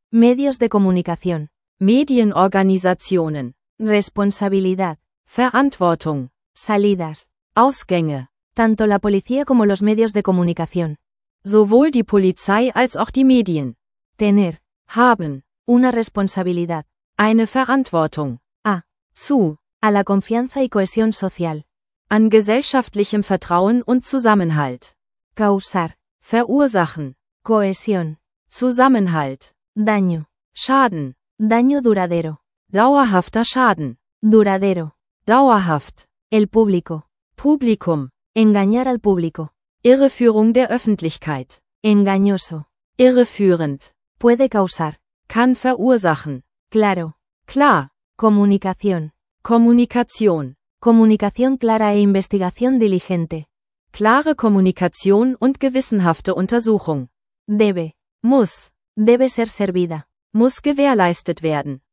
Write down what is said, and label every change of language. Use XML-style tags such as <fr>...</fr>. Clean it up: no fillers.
<es>Medios de comunicación.</es> <de>Medienorganisationen.</de> <es>Responsabilidad.</es> <de>Verantwortung.</de> <es>Salidas.</es> <de>Ausgänge.</de> <es>Tanto la policía como los medios de comunicación.</es> <de>Sowohl die Polizei als auch die Medien.</de> <es>Tener.</es> <de>Haben.</de> <es>Una responsabilidad.</es> <de>Eine Verantwortung.</de> <es>A.</es> <de>Zu.</de> <es>A la confianza y cohesión social.</es> <de>An gesellschaftlichem Vertrauen und Zusammenhalt.</de> <es>Causar.</es> <de>Verursachen.</de> <es>Cohesión.</es> <de>Zusammenhalt.</de> <es>Daño.</es> <de>Schaden.</de> <es>Daño duradero.</es> <de>Dauerhafter Schaden.</de> <es>Duradero.</es> <de>Dauerhaft.</de> <es>El público.</es> <de>Publikum.</de> <es>Engañar al público.</es> <de>Irreführung der Öffentlichkeit.</de> <es>Engañoso.</es> <de>Irreführend.</de> <es>Puede causar.</es> <de>Kann verursachen.</de> <es>Claro.</es> <de>Klar.</de> <es>Comunicación.</es> <de>Kommunikation.</de> <es>Comunicación clara e investigación diligente.</es> <de>Klare Kommunikation und gewissenhafte Untersuchung.</de> <es>Debe.</es> <de>Muss.</de> <es>Debe ser servida.</es> <de>Muss gewährleistet werden.</de>